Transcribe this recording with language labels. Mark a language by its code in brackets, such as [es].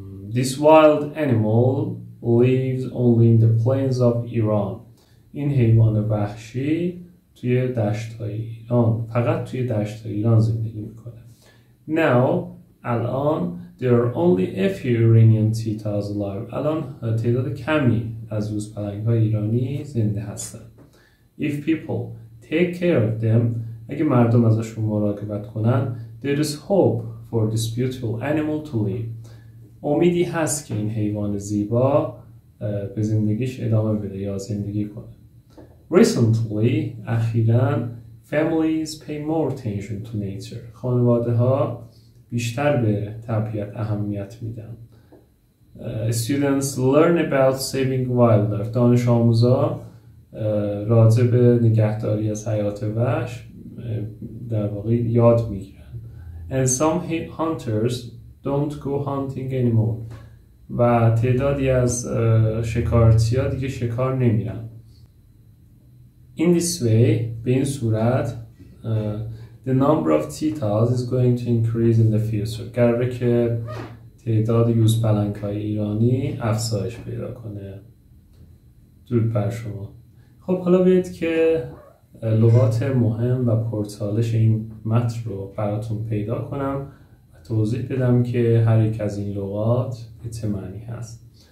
[en] This wild animal lives only in the plains of Iran. [fa] این حیوان وحشی توی دشت‌های ایران، فقط توی دشت‌های ایران زندگی می‌کنه. [en] Now, [fa] الان [en] there are only a few Iranian cheetahs alive. [fa] الان تعداد کمی از یوزپلنگ‌های ایرانی زنده هستن. [en] If people take care of them, [fa] اگه مردم ازشون مراقبت کنن، [en] there is hope for this beautiful animal to live. [fa] امیدی هست که این حیوان زیبا به زندگیش ادامه بده یا زندگی کنه. [en] Recently, [fa] اخیراً [en] families pay more attention to nature. [fa] خانواده ها بیشتر به طبیعت اهمیت میدن. [en] Students learn about saving wildlife. [fa] دانش آموزا راجع به نگهداری از حیات وحش در واقع یاد میگیرن. [en] And some hunters don't go hunting anymore. [fa] و تعدادی از شکارچی ها دیگه شکار نمیرن. [en] In this way, [fa] به این صورت [en] the number of cheetahs is going to increase in the future. [fa] قراره که تعداد یوزپلنگ های ایرانی افزایش پیدا کنه. درود بر شما. خب حالا بیاید که لغات مهم و پرتالش این متن رو براتون پیدا کنم و توضیح بدم که هر یک از این لغات به چه معنی هست.